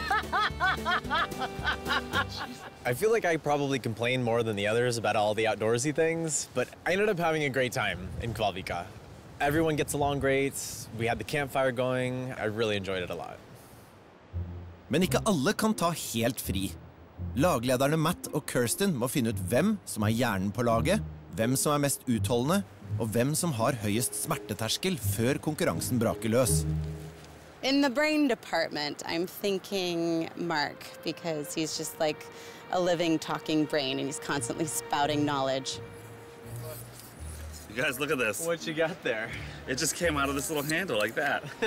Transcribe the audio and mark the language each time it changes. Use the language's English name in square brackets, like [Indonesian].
[English] good. I feel like I probably complain more than the others about all the outdoorsy things, but I ended up having a great time in Kvalvika. Everyone gets along great. We had the campfire going. I really enjoyed it a lot. [Norwegian] Men ikke alle kan ta helt fri. Laglederne Matt og Kirsten må finne ut hvem som hjernen på laget, hvem som mest utholdende, og hvem som har høyest smerteterskel før konkurransen braker løs. [English] In the brain department, I'm thinking Mark, because he's just like a living, talking brain, and he's constantly spouting knowledge. You guys, look at this. What you got there? It just came out of this little handle like that.